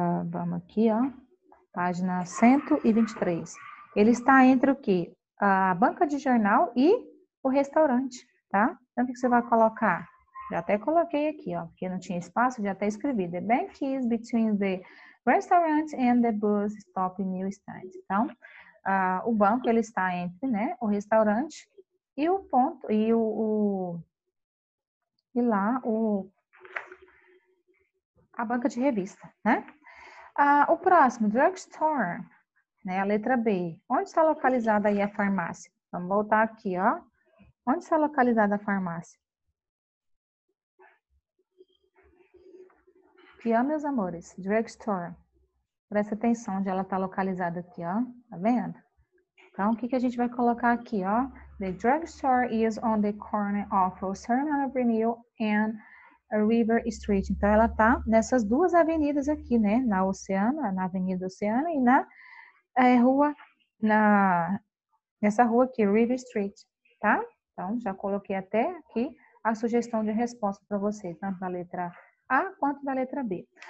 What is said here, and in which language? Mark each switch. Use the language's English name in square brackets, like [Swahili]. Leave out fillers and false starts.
[Portuguese] Vamos aqui, ó, página 123. Ele está entre o quê? A banca de jornal e o restaurante, tá? Então, o que você vai colocar? Já até coloquei aqui, ó, porque não tinha espaço, já até escrevi. [English] The bank is between the restaurant and the bus stop newsstand. [Portuguese] Então, o banco, ele está entre, né, o restaurante e o ponto, e o e lá o a banca de revista, né? O próximo, drugstore, né? A letra B. Onde está localizada aí a farmácia? Vamos voltar aqui, ó. Onde está localizada a farmácia? Aqui, ó, meus amores. Drugstore. Presta atenção onde ela está localizada aqui, ó. Tá vendo? Então, o que que a gente vai colocar aqui, ó? [English] The drugstore is on the corner of Sherman Avenue and River Street. [Portuguese] Então, ela tá nessas duas avenidas aqui, né? Na Oceana, na Avenida Oceana e na rua, na nessa rua aqui, River Street, tá? Então, já coloquei até aqui a sugestão de resposta para você, tanto da letra A quanto da letra B.